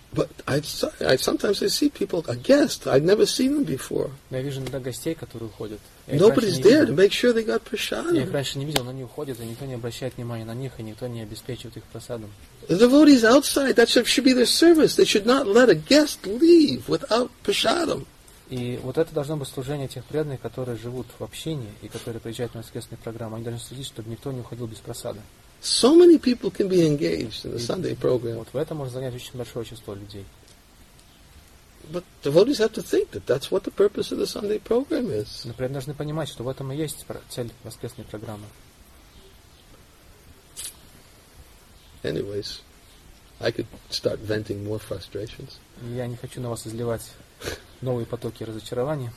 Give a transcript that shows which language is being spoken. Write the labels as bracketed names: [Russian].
[English] But I sometimes I see people, a guest, I'd never seen them before. [Russian] Я вижу иногда гостей, которые уходят. [English] Nobody's there to make sure they got prasadam. [Russian] Я их раньше не видел, но они уходят, и никто не обращает внимания на них, и никто не обеспечивает их просадом. [English] The devotees outside, that should be their service. They should not let a guest leave without prasadam. [Russian] И вот это должно быть служение тех преданных, которые живут в общине и которые приезжают на воскресные программы. Они должны следить, чтобы никто не уходил без просада. [English] So many people can be engaged in the Sunday program. [Russian] Вот в этом можно занять очень большое число людей. [English] But devotees have to think that that's what the purpose of the Sunday program is. [Russian] Например, должны понимать, что в этом и есть цель воскресной программы. [English] Anyways, I could start venting more frustrations. [Russian] Я не хочу на вас изливать новые потоки разочарования.